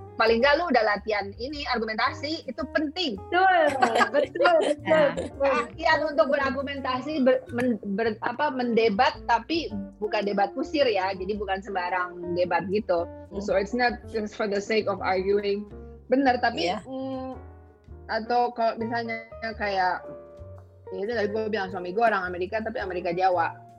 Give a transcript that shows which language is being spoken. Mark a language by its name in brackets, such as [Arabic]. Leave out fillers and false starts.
[Indonesian] Paling enggak lu udah latihan ini argumentasi itu penting. Betul. Latihan untuk berargumentasi mendebat tapi bukan debat kusir ya. Jadi bukan sembarang debat gitu. [English] So it's not just for the sake of arguing. [Indonesian] Benar, tapi atau kalau misalnya kayak ini tadi gua bilang suami gua orang Amerika tapi Amerika Jawa.